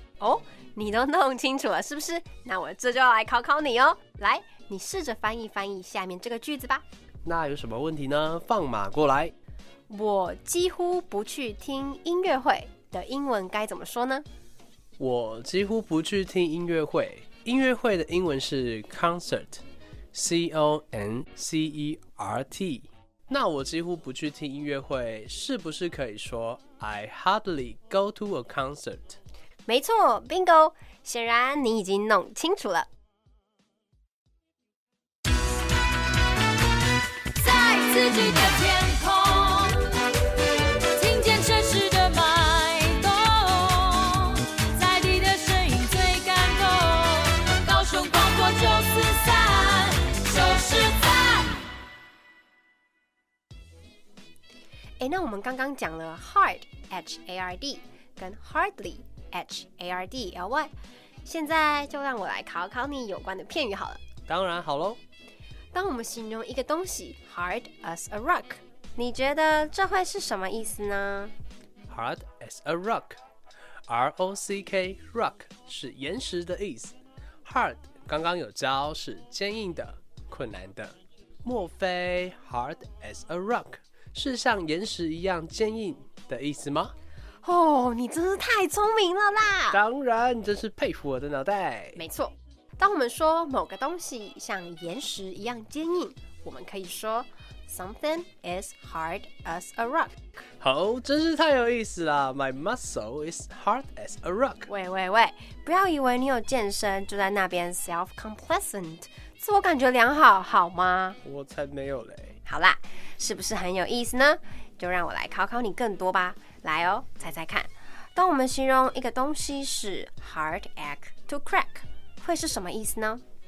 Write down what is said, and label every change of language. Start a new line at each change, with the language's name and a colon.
Chinese: 哦，你都弄清楚了是不是？那我这就来考考你哦，来。你试着翻译翻译下面这个句子吧。那有什么问题呢？放马过来。我几乎不去听音乐会的英文该怎么说呢？我几乎不去听音乐会。音乐会的英文是 concert， C O N C E R T。那我几乎不去听音乐会，是不是可以说 I hardly go to a concert？没错 ，bingo！ 显然你已经弄清楚了。自己的天空，听见城市的脉动，在地的声音最感动，高雄广播九四三，九四三。诶，那我们刚刚讲了 hard H-A-R-D 跟 hardly H-A-R-D-L-Y， 现在就让我来考考你有关的片语好了。当然好咯。当我们形容一个东西
English: hard as a rock，
Chinese: 你觉得这会是什么意思呢？
English: hard as a rock，
Chinese: R O C K， rock 是岩石的意思。 hard 刚刚有教是坚硬的、困难的，莫非
English: hard as a rock
Chinese: 是像岩石一样坚硬的意思吗？哦，你真是太聪明了啦。当然，真是佩服我的脑袋。没错，当我们说某个东西像岩石一样坚硬，我们可以说
English: something is hard as a rock。
Chinese: 好，真是太有意思了。
English: My muscle is hard as a rock。
Chinese: 喂喂喂，不要以为你有健身就在那边 self-complacent， 自我感觉良好好吗？我才没有嘞。好啦，是不是很有意思呢？就让我来考考你更多吧。来哦，猜猜看，当我们形容一个东西是
English: hard egg to crack，
Chinese: 会是什么意思呢？